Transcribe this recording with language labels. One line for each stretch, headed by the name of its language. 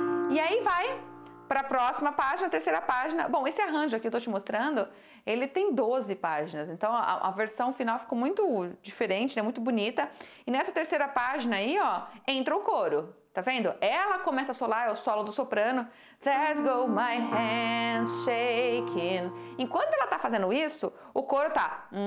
Portuguese: E aí vai para a próxima página, terceira página. Bom, esse arranjo aqui que eu estou te mostrando, ele tem 12 páginas. Então, a versão final ficou muito diferente, né? Muito bonita. E nessa terceira página aí, ó, entra o coro. Tá vendo? Ela começa a solar, é o solo do soprano.
English: There's go my hands shaking.
Portuguese: Enquanto ela tá fazendo isso, o coro tá...